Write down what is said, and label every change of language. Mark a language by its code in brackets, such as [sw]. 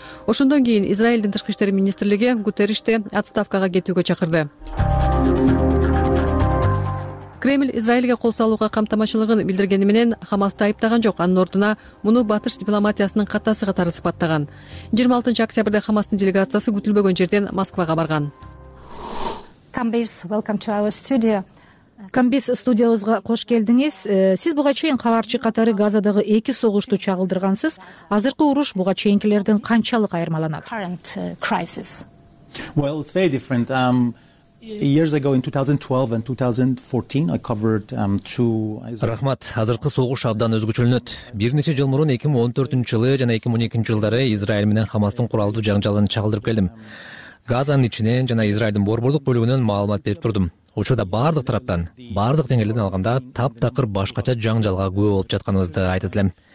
[ky] Ошондон кийин Израилдин тышкы иштер министрлиги Гутерришти отставкага кетүүгө чакырды. Кремль Израилге кол салууга камтамачылыгын билдиргени менен Хамасты айыптаган жок, анын ордуна муну батыш дипломатиясынын катасы катары сыпаттаган. 26 октябрда Хамастын делегациясы күтүлбөгөн жерден Москвага барган. [en] Камбиз, welcome to our studio. [ky] Камбиз, студиябызга кош келдиңиз. Сиз буга чейин кабарчы катары Газадагы эки согушту чагылдыргансыз. Азыркы уруш буга чейинкилерден канчалык айырмаланат? [en] Current crisis. Well, it's very different. Years ago in 2012 and 2014 I covered two [ky] Рахмат, азыркы согуш абдан өзгөчөлөнөт. Бир нече жыл мурун 2014-жылы жана 2012-жылдары Израиль менен Хамастын куралдуу жаңжалын чагылдырып келдим. Газанын ичинен жана Израилдин борбордук бөлүгүнөн маалымат берип турдум. Учурда баардык тараптан, баардык деңгээлден алганда таптакыр башкача жаңжалга күбө болуп жатканыбызды айтат элем.